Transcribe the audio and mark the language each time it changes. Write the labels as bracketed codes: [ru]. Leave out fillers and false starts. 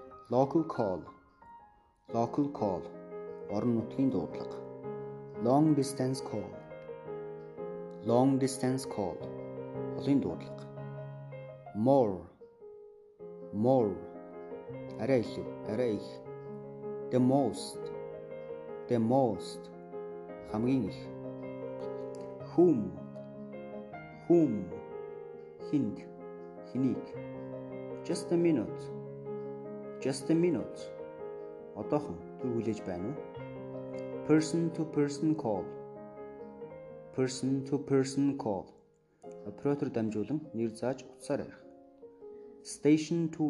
[en] Local call, [mn] орон нутгийн дуудлага. [en] Long distance call, [mn] холын дуудлага. [en] More, [mn] арай илүү, арай их. [en] The most, the most [mn] хамгийн их [en] whom whom [mn] хинд хинийг [en] just a minute [mn] одоохон түр хүлээж байна уу [en] person to person call [mn] оператор дамжуулан нэр зааж утсаар ярих [en] station